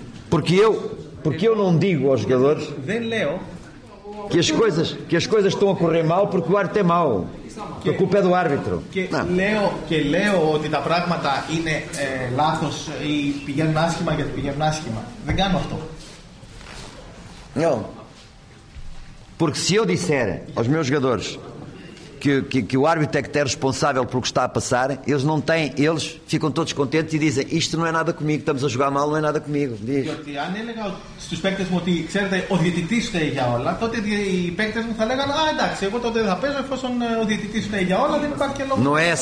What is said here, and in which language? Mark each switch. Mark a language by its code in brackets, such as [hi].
[pt] Porque eu não digo aos jogadores que as coisas estão a correr mal porque o árbitro é mau. Que a culpa é do árbitro. [el] Leo ότι τα πράγματα είναι λάθος ή πηγαίνουν άσχημα γιατί πηγαίνουν άσχημα. Δεν κάνω αυτό. [pt] Não. Porque se eu disser aos meus jogadores que o árbitro é que é responsável pelo que está a passar, eles ficam todos contentes e dizem: isto não é nada comigo, estamos a jogar mal, não é nada comigo. Diz. Porque [el] αν έλεγα στους παίκτες μου ότι ξέρετε, ο διαιτητής φταίει για όλα, τότε οι παίκτες μου θα λέγανε: α, εντάξει, εγώ τότε θα παίζω, εφόσον ο διαιτητής φταίει για όλα, δεν υπάρχει λόγο.